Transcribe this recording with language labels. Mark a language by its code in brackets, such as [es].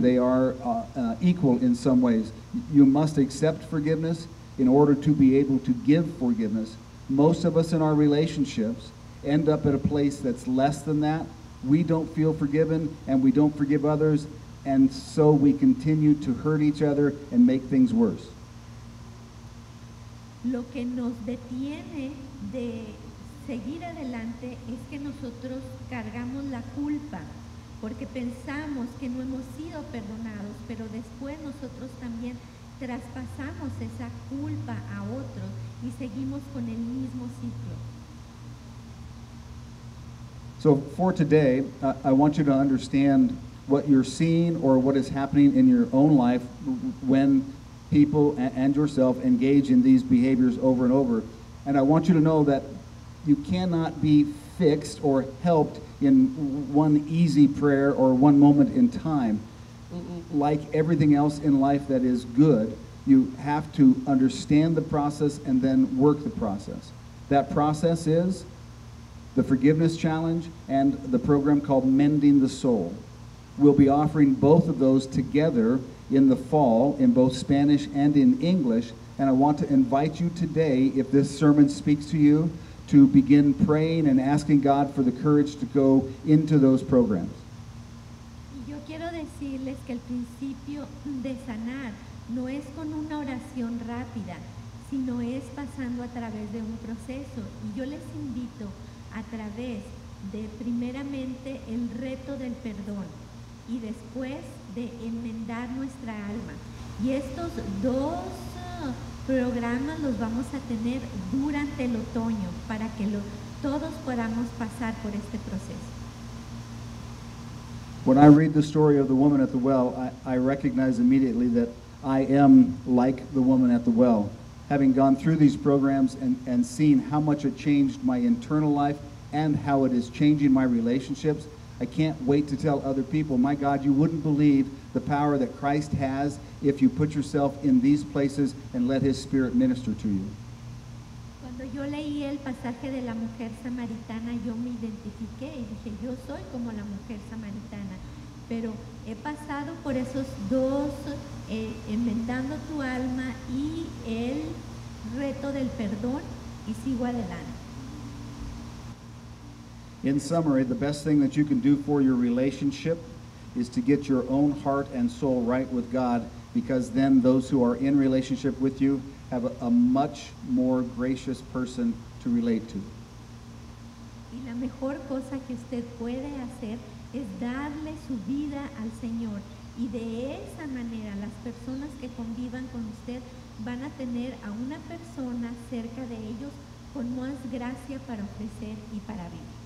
[en] They are equal in some ways. You must accept forgiveness in order to be able to give forgiveness. Most of us in our relationships end up at a place that's less than that. We don't feel forgiven, and we don't forgive others, and so we continue to hurt each other and make things worse. [es] Lo que nos detiene de seguir adelante es que nosotros cargamos la culpa, porque pensamos que no hemos sido perdonados, pero después nosotros también traspasamos esa culpa a otros y seguimos con el mismo ciclo. [en] So for today, I want you to understand what you're seeing or what is happening in your own life when people and yourself engage in these behaviors over and over. And I want you to know that you cannot be fixed or helped in one easy prayer or one moment in time. Mm-mm. Like everything else in life that is good, you have to understand the process and then work the process. That process is the forgiveness challenge and the program called Mending the Soul. We'll be offering both of those together in the fall in both Spanish and in English. And I want to invite you today, if this sermon speaks to you, to begin praying and asking God for the courage to go into those programs. [es] Yo quiero decirles que el principio de sanar no es con una oración rápida, sino es pasando a través de un proceso. Y yo les invito a través de primeramente el reto del perdón y después de enmendar nuestra alma. Y estos dos programas los vamos a tener durante el otoño para que todos podamos pasar por este proceso. [en] When I read the story of the woman at the well, I recognize immediately that I am like the woman at the well. having gone through these programs and seen how much it changed my internal life and how it is changing my relationships, I can't wait to tell other people, my God, you wouldn't believe the power that Christ has if you put yourself in these places and let His Spirit minister to you. [es] Cuando yo leí el pasaje de la mujer samaritana, yo me identifiqué y dije, yo soy como la mujer samaritana. Pero he pasado por esos dos, inventando tu alma y el reto del perdón, y sigo adelante. [en] In summary, the best thing that you can do for your relationship is to get your own heart and soul right with God, because then those who are in relationship with you have a much more gracious person to relate to. [es] Y la mejor cosa que usted puede hacer es darle su vida al Señor, y de esa manera las personas que convivan con usted van a tener a una persona cerca de ellos con más gracia para ofrecer y para vivir.